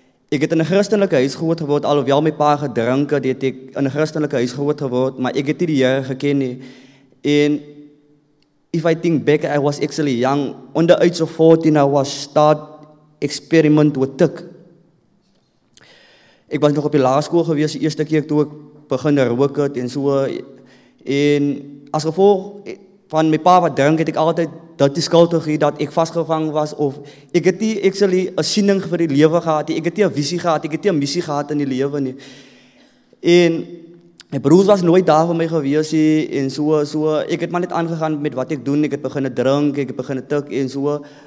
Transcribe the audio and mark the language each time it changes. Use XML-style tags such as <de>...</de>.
<af>Ek het in 'n Christelike huis groot geword, alhoewel my pa gedrink het, het ek in 'n Christelike huis groot geword, maar ek het nie die Here geken nie.</af> <en>En if I think back, I was actually young, under age of 14, I was start experiment with tik.</en> <af>Ek was nog op die laerskool gewees, die eerste keer toe ek begin rook het en so. En as gevolg van my pa wat drink, het ek altyd dat die skuld gegee dat ek vasgevang was, of ek het nie actually 'n siening vir die lewe gehad, ek het nie 'n visie gehad, ek het nie 'n missie gehad in die lewe nie. En my broers was nooit daar vir my gewees nie, en so, ek het maar net aangegaan met wat ek doen, ek het begin drink, ek het begin tik en so.</af>